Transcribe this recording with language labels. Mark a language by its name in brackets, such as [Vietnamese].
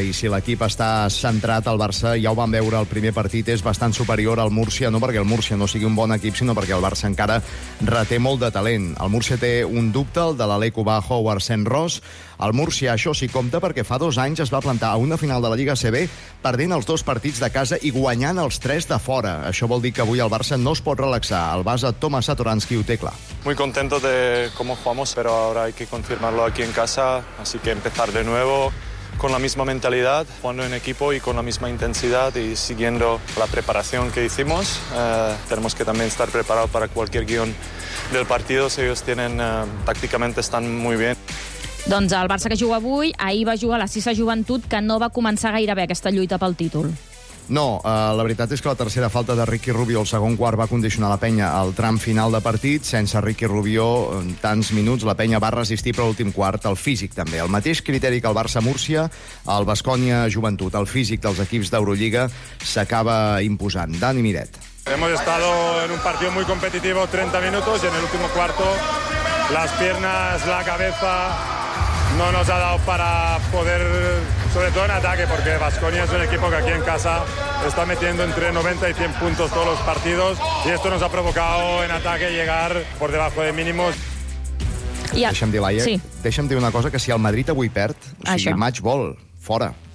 [Catalan] I si l'equip està centrat, el Barça, ja ho vam veure, el primer partit és bastant superior al Múrcia, no perquè el Múrcia no sigui un bon equip, sinó perquè el Barça encara reté molt de talent. El Múrcia té un dubte, el de l'Aleko Bajo o Arsène Ros. El Múrcia, això sí, compta perquè fa 2 anys es va plantar a una final de la Lliga CB perdent els 2 partits de casa i guanyant els 3 de fora. Això vol dir que avui el Barça no es pot relaxar. El base Tomás Satoranski ho té clar. [Spanish] Muy contento de cómo jugamos, pero ahora hay que confirmarlo aquí en casa, así que empezar de nuevo con la misma mentalidad, jugando en equipo y con la misma intensidad y siguiendo la preparación que hicimos. Tenemos que también estar preparados para cualquier guión del partido. Si ellos tienen, tácticamente están muy bien. [Catalan] Doncs el Barça que juga avui, ahir va jugar la sisa joventut, que no va començar gaire bé aquesta lluita pel títol. No, la veritat és que la tercera falta de Ricky Rubio al segon quart va condicionar la penya al tram final de partit. Sense Ricky Rubio, en tants minuts, la penya va resistir per l'últim quart al físic, també. El mateix criteri que el Barça-Múrcia, el Baskonia-Joventut, el físic dels equips d'Eurolliga, s'acaba imposant. Dani Miret. [Spanish] Hemos estado en un partido muy competitivo 30 minutos y en el último cuarto las piernas, la cabeza no nos ha dado para poder, sobre todo en ataque, porque Baskonia es un equipo que aquí en casa está metiendo entre 90 y 100 puntos todos los partidos y esto nos ha provocado en ataque llegar por debajo de mínimos. [Catalan] Yeah. Deixa'm dir, Laia, sí. Deixa'm dir una cosa, que si el Madrid avui perd, o sigui, això, match ball, fora.